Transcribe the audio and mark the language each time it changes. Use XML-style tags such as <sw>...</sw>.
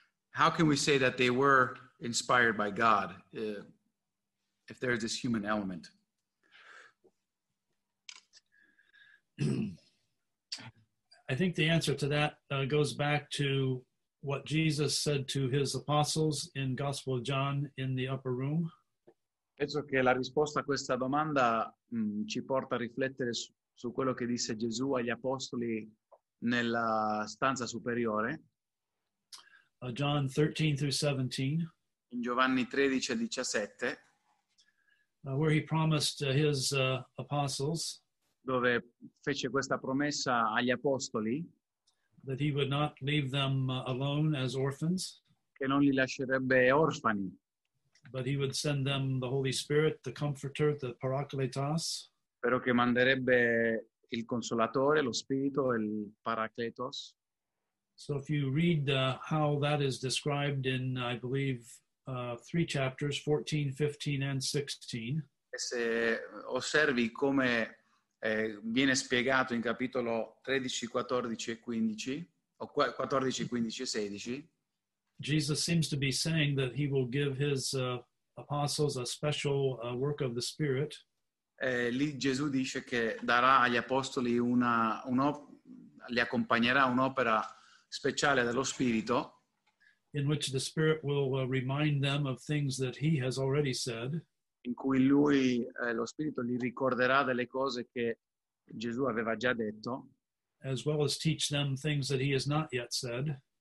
<en>How can we say that they were inspired by God if there is this human element? I think the answer to that goes back to what Jesus said to his apostles in Gospel of John in the upper room.</en> <it>Penso che la risposta a questa domanda ci porta a riflettere su quello che disse Gesù agli apostoli nella stanza superiore.</it> <en>John 13 through 17.</en> <it>In Giovanni 13 17.</it> <en>Where he promised his apostles.</en> <it>Dove fece questa promessa agli apostoli.</it> <en>That he would not leave them alone as orphans.</en> <it>Che non li lascerebbe orfani.</it> <en>But he would send them the Holy Spirit, the Comforter, the Parakletos.</en> <it>Però che manderebbe il Consolatore, lo Spirito, il Paracletos.</it> <en>So if you read how that is described in, I believe, three chapters, 14, 15, and 16.</en> <it>Se osservi come viene spiegato in capitolo 13, 14 e 15, o 14, 15 e 16,</it> <en>Jesus seems to be saying that he will give his apostles a special work of the Spirit.</en> <it>Lì Gesù dice che darà agli apostoli li accompagnerà un'opera speciale dello Spirito.</it> <en>In which the Spirit will remind them of things that he has already said.</en> <it>In cui lui, lo Spirito, li ricorderà delle cose che Gesù aveva già detto.</it> <en>As well as teach them things that he has not yet said.</en>